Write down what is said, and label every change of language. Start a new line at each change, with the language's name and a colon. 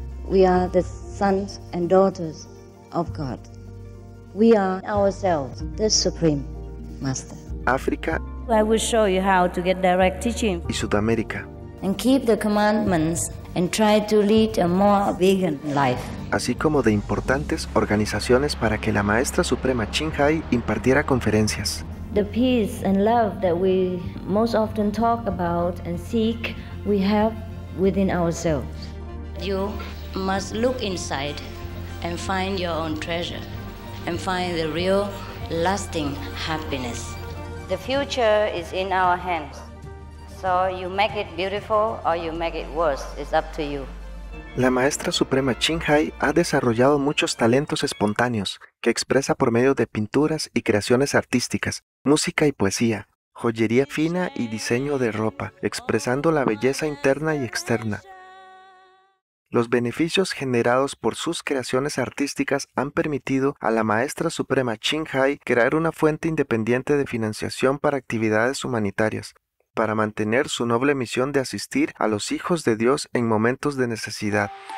English: We are the sons and daughters of God. We are ourselves, the Supreme Master. Africa. I will show you how to get direct teaching.
Spanish: Y Sudamérica.
English: And keep the commandments and try to lead a more vegan life.
Spanish: Así como de importantes organizaciones para que la maestra suprema Chinhai impartiera conferencias.
English: The peace and love that we most often talk about and seek, we have within ourselves. You must look inside and find your own treasure and find the real lasting happiness. The future is in our hands. So you make it beautiful or you make it worse, it's up to you.
Spanish: La maestra suprema Chinhai ha desarrollado muchos talentos espontáneos que expresa por medio de pinturas y creaciones artísticas, música y poesía, joyería fina y diseño de ropa, expresando la belleza interna y externa. Los beneficios generados por sus creaciones artísticas han permitido a la maestra suprema Chinhai crear una fuente independiente de financiación para actividades humanitarias, para mantener su noble misión de asistir a los hijos de Dios en momentos de necesidad.